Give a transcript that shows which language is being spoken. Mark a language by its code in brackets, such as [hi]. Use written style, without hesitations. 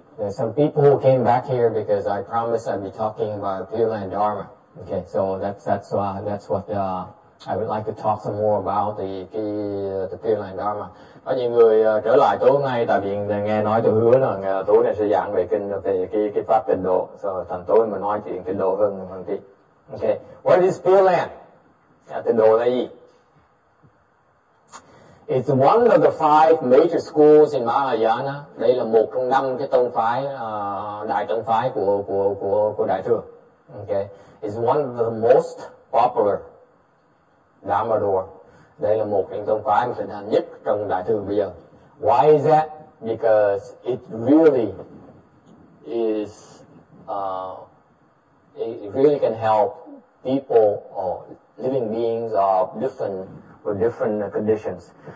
[en] There's some people who came back here because I promised I'd be talking about Pure Land Dharma. Okay, so that's what I would like to talk some more about the Pure Land Dharma. [vi] Có nhiều người trở lại tối nay tại vì nghe nói tôi hứa là tối nay sẽ giảng về kinh cái pháp tịnh độ. So thành tối mà nói chuyện tịnh độ hơn phần tí. [en] Okay, what is Pure Land? [vi] Tịnh độ là gì? [en] It's one of the 5 major schools in Mahayana. [vi] Đây là một trong 5 cái tông phái đại tông phái của đại thừa. [en] Okay. It's one of the most popular Dharma door. [vi] Đây là một trong tông phái mà thịnh hành nhất trong đại thừa bây giờ. [en] Why is that? Because it really is it really can help people or living beings of different conditions.